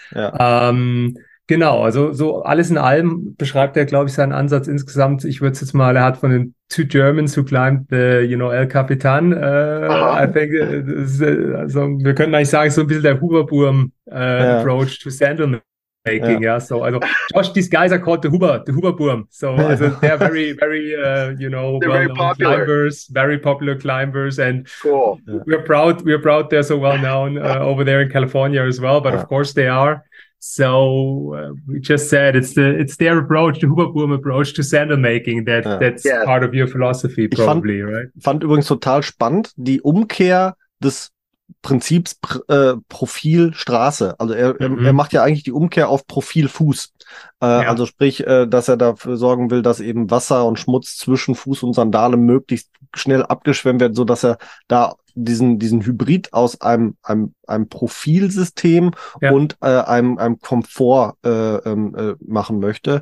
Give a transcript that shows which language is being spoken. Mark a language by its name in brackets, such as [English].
[German] Ja. Genau, also so alles in allem beschreibt er, glaube ich, seinen Ansatz insgesamt. Ich würde es jetzt mal, er hat von den [English] Two Germans who climbed the, you know, [German] El Capitan. [English] I think, [German] also wir könnten eigentlich sagen, so ein bisschen der Huberburm [English] Approach to Sandalman. Making, so, also, Josh, these guys are called the Huberburm. So, also, they're very, very, you know, well-known climbers, very popular climbers, and cool. We're proud they're so well-known over there in California as well, but of course they are. So, we just said it's their approach, the Huberburm approach to sandal making, that's part of your philosophy, probably, [German] fand übrigens total spannend, die Umkehr des Prinzips Profil Straße. Also er macht ja eigentlich die Umkehr auf Profil Fuß. Also sprich, dass er dafür sorgen will, dass eben Wasser und Schmutz zwischen Fuß und Sandale möglichst schnell abgeschwemmt werden, sodass er da diesen Hybrid aus einem Profilsystem und einem Komfort machen möchte.